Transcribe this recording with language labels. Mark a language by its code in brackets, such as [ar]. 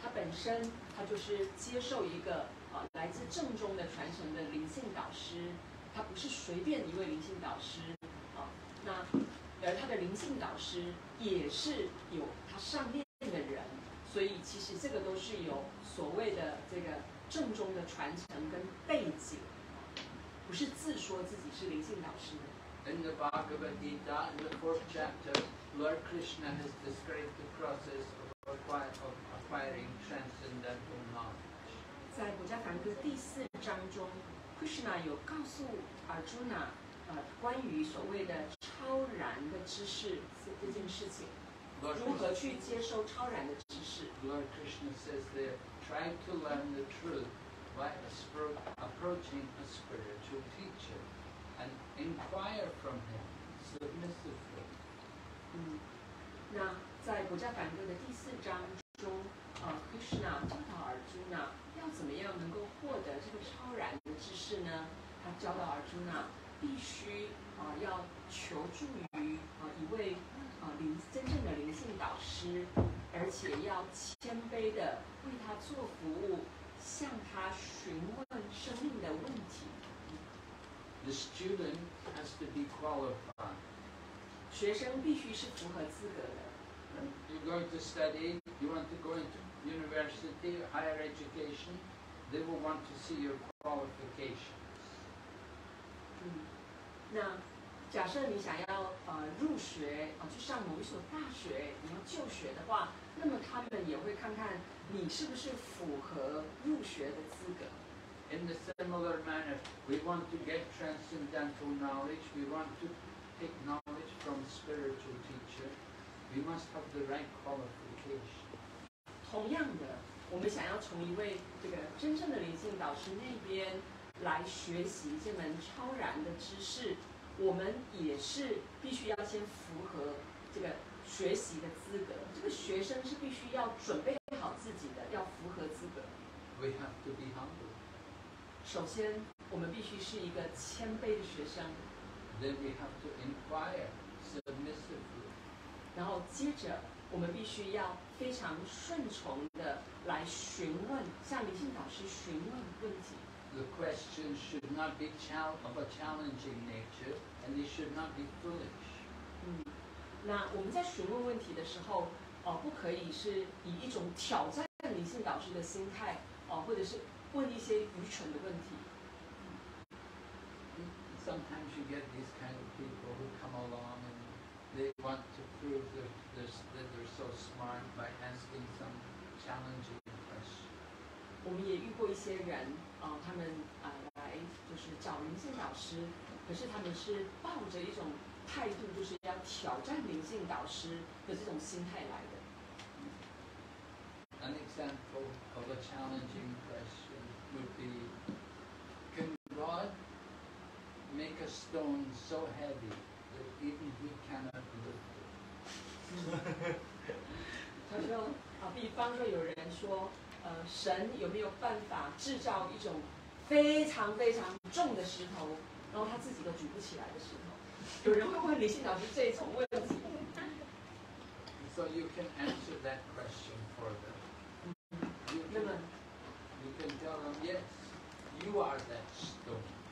[zh] 他本身他就是接受一个来自正宗的传承的灵性导师，他不是随便一位灵性导师啊。那而他的灵性导师也是有他上面的人，所以其实这个都是有所谓的这个正宗的传承跟背景，不是自说自己是灵性导师的。 [en] In the Bhagavad Gita, in the fourth chapter, Lord Krishna has described the process of acquiring transcendental knowledge. [zh] 在国家梵歌第四章中， Krishna 有告诉 Arjuna 关于所谓的超然的知识这件事情， [en] Lord, [zh] 如何去接受超然的知识。 [en] Lord Krishna says there, try to learn the truth by approaching a spiritual teacher and inquire from him submissively. [zh] 那在《国家梵歌》的第四章中，Krishna 教导 Arjuna 要怎么样能够获得这个超然的知识呢？他教导 Arjuna 必须要求助于一位真正的灵性导师，而且要谦卑的为他做服务，向他询问生命的问题。 [en] The student has to be qualified. [zh] 学生必须是符合资格的。 [en] You're going to study, you want to go into university, higher education, they will want to see your qualifications. [zh] 那假设你想要入学去上某一所大学，你要就学的话，那么他们也会看看你是不是符合入学的资格。 [en] In the similar manner, we want to get transcendental knowledge, we want to take knowledge from spiritual teacher, we must have the right qualification. [zh] 同样的，我们想要从一位这个真正的灵性导师那边来学习这门超然的知识，我们也是必须要先符合这个学习的资格。这个学生是必须要准备好自己的，要符合资格。 [en] We have to be humble. [zh] 首先我们必须是一个谦卑的学生。 [en] Then we have to inquire submissively. [zh] 然后接着我们必须要非常顺从的来询问，向灵性导师询问问题。 [en] The question should not be of a challenging nature and it should not be foolish. [zh] 那我们在询问问题的时候不可以是以一种挑战灵性导师的心态或者是问一些愚蠢的问题。 [en] Sometimes you get these kind of people who come along and they want to prove that they're so smart by asking some challenging questions. [zh] 我们也遇过一些人他们来就是找灵性导师，可是他们是抱着一种态度，就是要挑战灵性导师的这种心态来的。 [en] An example of a challenging question. Would be, can God make a stone so heavy that even he cannot lift it? [zh] 他说比方说有人说神有没有办法制造一种非常非常重的石头，然后他自己都举不起来的石头。有人会问灵性导师这种问题。 [en] So you can answer that question for them. [zh] 那么 [en] You can tell them, yes, you are that stone.